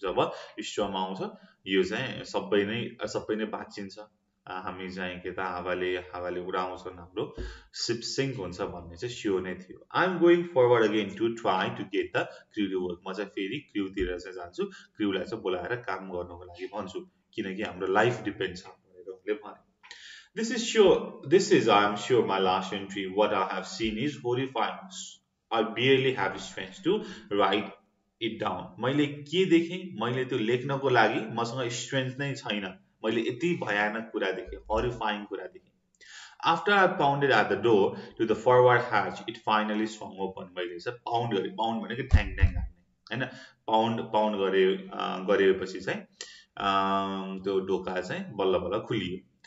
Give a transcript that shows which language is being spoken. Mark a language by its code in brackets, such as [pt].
[ne] जब Sturm आउँछ यो चाहिँ सबै नै भाँचिन्छ, हामी चाहिँ के त हावाले उडाउँछ, हाम्रो सिप सिङ्क हुन्छ भन्ने चाहिँ स्योर नै थियो। [en] I'm going forward again to try to get the crew work, [ne] म चाहिँ फेरि क्रूतिर चाहिँ जान्छु, क्रूलाई चाहिँ बोलाएर काम गर्नुको लागि भन्छु किनकि हाम्रो लाइफ डिपेन्ड छ भनेर उसले भने। [en] This is sure, this is I am sure my last entry. What I have seen is horrifying. I barely have strength to write it down. [ne] मैले के देखेँ, मैले त्यो लेख्नको लागि मसँग स्ट्रेन्थ नै छैन, मैले यति भयानक कुरा देखेँ, हरिफाइङ कुरा देखेँ। [en] after I pounded at the door to the forward hatch it finally swung open, [ne] मैले चाहिँ पाउन्ड गरेँ, पाउन्ड भनेको ठ्याङ ठ्याङ हाल्ने होइन, पाउन्ड पाउन्ड गरेपछि चाहिँ त्यो ढोका चाहिँ बल्ल बल्ल खुलियो।